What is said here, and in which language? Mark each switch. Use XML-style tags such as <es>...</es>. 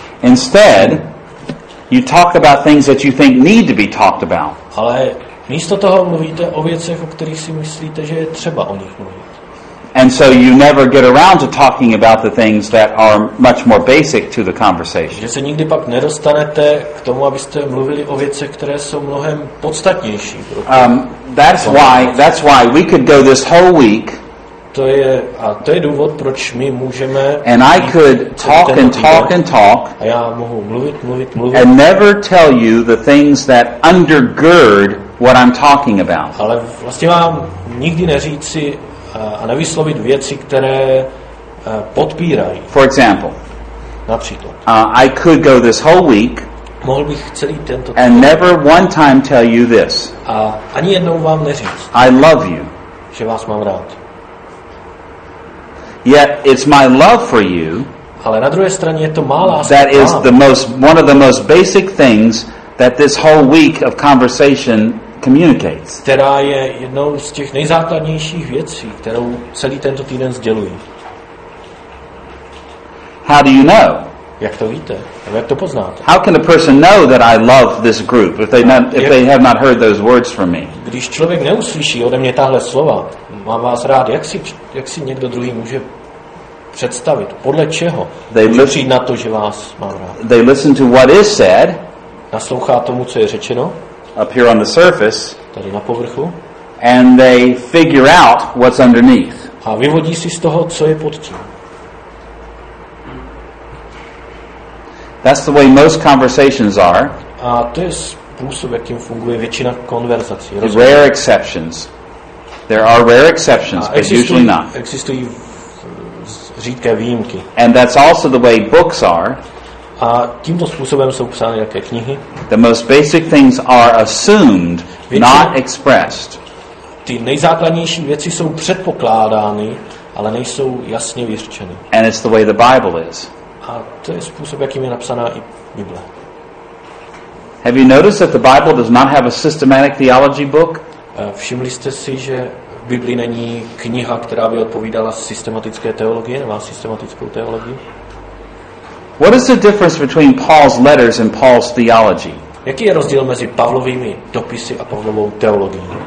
<en>Instead, you talk about things that you think need to be talked about.</en> <cs>Ale místo toho mluvíte o věcech, o kterých si myslíte, že je třeba o nich mluvit.</cs> <en>And so you never get around to talking about the things that are much more basic to the conversation.</en> <cs>Že se nikdy pak nedostanete k tomu, abyste mluvili o věcech, které jsou mnohem podstatnější.</cs> <en>That's why we could go this whole week.</en> <cs>To je důvod, proč my můžeme.</cs> <en>And I could talk and talk and talk.</en> <cs>A já mohu mluvit.</cs> <en>And never tell you the things that undergird what I'm talking about.</en> <cs>Ale vlastně vám nikdy neříci a nevyslovit věci, které podpírají.</cs> <en>For example.</en> <cs>Například.</cs> <en>I could go this whole week.</en> <cs>Mohl bych celý tento.</cs> <en>And never one time tell you this.</en> <cs>A ani jednou vám neříct.</cs> <en>I love you.</en> <cs>Že vás mám rád.</cs> <en>Yet it's my love for you.</en> <cs>Ale na druhé straně je to má láska.</cs> <en>That is the most one of the most basic things that this whole week of conversation communicates.</en> <cs>Která je jednou z těch nejzákladnějších věcí, kterou celý tento týden sděluji.</cs> <en>How do you know?</en> <cs>Jak to víte? Jak to poznáte?</cs> <en>How can a person know that I love this group if they have not heard those words from me?</en> <cs>Když člověk neuslyší ode mě tahle slova, mám vás rád, jak si někdo druhý může představit? Podle čeho?</cs> <en>They</en> <cs>listen na to, že vás mám rád.</cs> <en>They listen to what is said.</en> <cs>Naslouchá tomu, co je řečeno.</cs> <en>Up here on the surface.</en> <cs>Tady na povrchu.</cs> <en>And they figure out what's underneath.</en> <cs>A vyvodí si z toho, co je pod tím.</cs> <en>That's the way most conversations are.</en> <cs>A to je způsob, jakým funguje většina konverzací.</cs> <en>Rare exceptions. There are rare exceptions,</en> <cs>a</cs> <en>but usually not.</en> <cs>Existují řídké výjimky.</cs> <en>And that's also the way books are.</en> <cs>A tímto způsobem jsou psány nějaké knihy.</cs> <en>The most basic things are assumed, not expressed.</en> <cs>Ty nejzákladnější věci jsou předpokládány, ale nejsou jasně vyřčeny.</cs> <en>And it's the way the Bible is.</en> <cs>A to je způsob, jakým je napsaná i Bible.</cs> <en>Have you noticed that the Bible does not have a systematic theology book?</en> <cs>Všimli jste si, že v Biblii není kniha, která by odpovídala systematické teologii, nebo systematickou teologii?</cs> <en>What is the difference between Paul's letters and Paul's theology?</en> <cs>Jaký je rozdíl mezi Pavlovými dopisy a Pavlovou teologií?</cs>